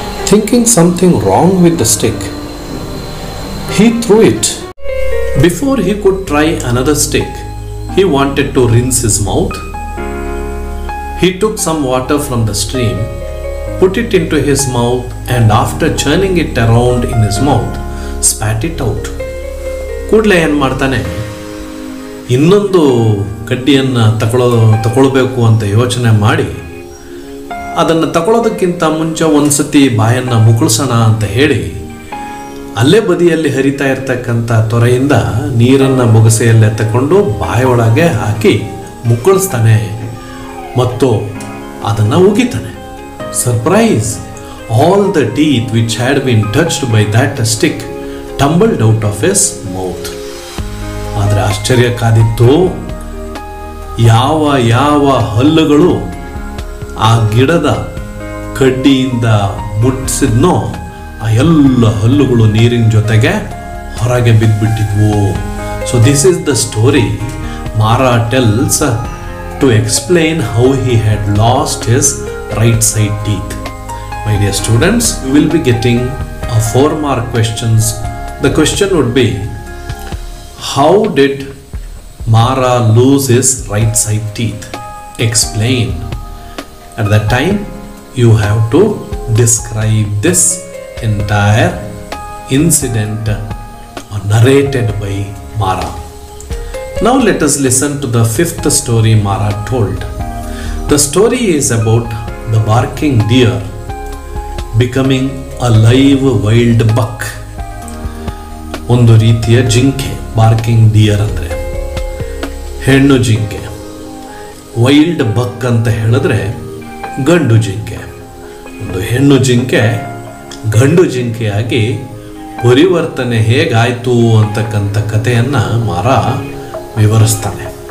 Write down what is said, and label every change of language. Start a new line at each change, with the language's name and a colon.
English: Thinking something wrong with the stick, he threw it. Before he could try another stick, he wanted to rinse his mouth. He took some water from the stream, put it into his mouth, and after churning it around in his mouth, spat it out.
Kannada: ಕೂಡಲೇ ಏನು ಮಾಡ್ತಾನೆ, ಇನ್ನೊಂದು ಕಡ್ಡಿಯನ್ನು ತಗೊಳ್ಬೇಕು ಅಂತ ಯೋಚನೆ ಮಾಡಿ ಅದನ್ನು ತಗೊಳ್ಳೋದಕ್ಕಿಂತ ಮುಂಚೆ ಒಂದ್ಸತಿ ಬಾಯನ್ನು ಮುಕುಳಿಸೋಣ ಅಂತ ಹೇಳಿ ಅಲ್ಲೇ ಬದಿಯಲ್ಲಿ ಹರಿತಾ ಇರತಕ್ಕಂಥ ತೊರೆಯಿಂದ ನೀರನ್ನು ಮುಗಸೆಯಲ್ಲೇ ತಗೊಂಡು ಬಾಯೊಳಗೆ ಹಾಕಿ ಮುಕ್ಕಳಿಸ್ತಾನೆ ಮತ್ತು ಅದನ್ನು ಉಗಿತಾನೆ.
English: Surprise, all the teeth which had been touched by that stick tumbled out of us.
Kannada: ಆದರೆ ಆಶ್ಚರ್ಯಕ್ಕಾದಿತ್ತು, ಯಾವ ಯಾವ ಹಲ್ಲುಗಳು ಆ ಗಿಡದ ಕಡ್ಡಿಯಿಂದ ಮುಟ್ಟಿಸಿದ್ನೋ ಆ ಎಲ್ಲ ಹಲ್ಲುಗಳು ನೀರಿನ ಜೊತೆಗೆ ಹೊರಗೆ ಬಿದ್ದುಬಿಟ್ಟಿದ್ವು.
English: So this is the story Mara tells to explain how he had lost his right side teeth. My dear students, you will be getting a 4-mark questions. The question would be, How did Mara lose his right side teeth? Explain. At that time, you have to describe this entire incident narrated by Mara. Now let us listen to the fifth story Mara told. The story is about the barking deer becoming a live wild buck.
Kannada: ಒಂದು ರೀತಿಯ ಜಿಂಕೆ, barking dear ಅಂದರೆ ಹೆಣ್ಣು ಜಿಂಕೆ, wild ಬಕ್ ಅಂತ ಹೇಳಿದ್ರೆ ಗಂಡು ಜಿಂಕೆ. ಒಂದು ಹೆಣ್ಣು ಜಿಂಕೆ ಗಂಡು ಜಿಂಕೆಯಾಗಿ ಪರಿವರ್ತನೆ ಹೇಗಾಯಿತು ಅಂತಕ್ಕಂಥ ಕಥೆಯನ್ನು ಮಾರ ವಿವರಿಸ್ತಾನೆ.